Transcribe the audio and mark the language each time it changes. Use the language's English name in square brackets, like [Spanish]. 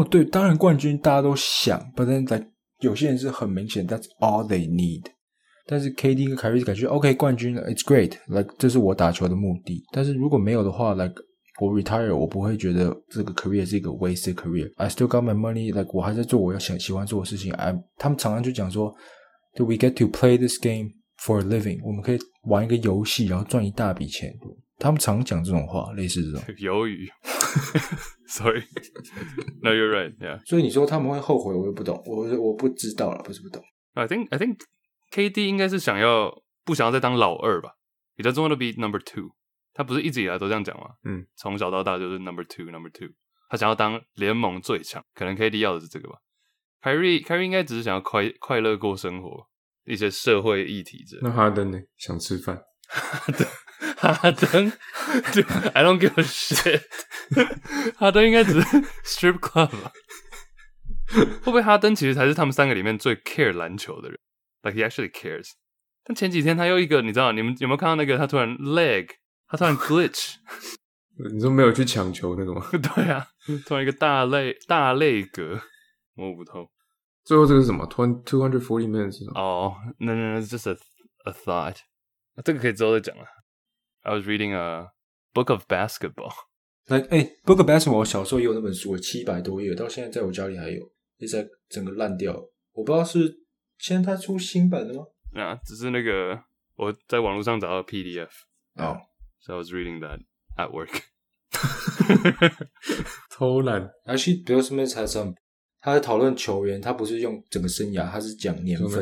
[Chinese] 哦，对，当然冠军大家都想 ， But then like 有些人是很明显 ， That's all they need。但是 KD 跟 Kyrie 感觉 OK 冠军 ， It's great，like 这是我打球的目的。但是如果没有的话 ，like 我 retire 我不会觉得这个 career 是一个 wasted career. I still got my money, like 我还在做我要想喜欢做的事情。 [English] I, 他们常常就讲说 Do we get to play this game for a living? [Chinese] 我们可以玩一个游戏然后赚一大笔钱。他们常讲这种话，类似这种 [English] 鱿鱼。 Sorry, no, you're right. Yeah. [Chinese] 所以你说他们会后悔，我又不懂，我不知道了，不是不懂。 [English] I think KD 应该是想要不想要再当老二吧？He doesn't want to be number two. [Chinese] 他不是一直以来都这样讲吗？嗯，从小到大就是 number two, number two. 他想要当联盟最强，可能 KD 要的是这个吧。Kyrie 应该只是想要快乐过生活，一些社会议题之类。那哈登呢？想吃饭。哈登 Dude, I don't give a shit 哈登应该只是 strip club 吧，会不会哈登其实才是他们三个里面最 care 篮球的人， like he actually cares，但前几天他又一个，你知道你们有没有看到那个他突然 lag， 他突然 glitch，你说没有去抢球那个吗？对啊，突然一个大累格摸不透。最后这个是什么 240 minutes [English] 哦、oh, no, it's just a thought，这个可以之后再讲了。 I was reading a book of basketball. [Chinese] Like, hey, book of basketball, 我小时候也有那本书，700多页，到现在在我家里还有，一直在整个烂掉。我不知道是现在它出新版的吗？啊，只是那个我在网络上找到 PDF. [English] Oh. So I was reading that at work. [Chinese] 偷懒。 Actually, Bill Simmons has some, 他在讨论球员，他不是用整个生涯，他是讲年份。